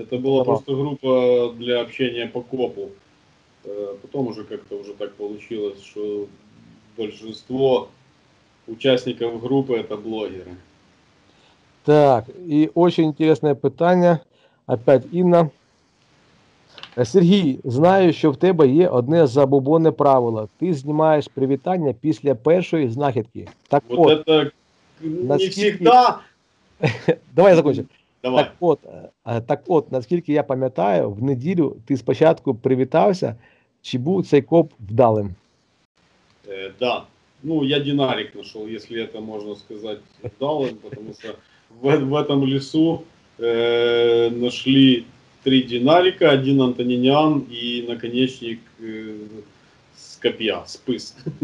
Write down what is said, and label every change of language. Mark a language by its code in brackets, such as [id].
[uk] Це була просто група [ru] для общения [uk] по Копу. Потім вже як-то вже так вийшло, що більшість учасників групи – це блогери. Так, і дуже цікаве питання. Опять Інна. Сергій, знаю, що в тебе є одне забобонне правило. Ти знімаєш привітання після першої знахідки. [ru] Так вот от, это [uk] наскільки... [ru] не всегда. Давай я закончу. Давай. [uk] Так от, наскільки я пам'ятаю, в неділю ти спочатку привітався, чи був цей коп вдалим? [ru] Да. [uk] Ну, я динарик знайшов, якщо це можна сказати вдалим, тому що [ru] в этом [uk] лісу знайшли 3 динарика, 1 антонинян [ru] и наконечник с копья, с пыс.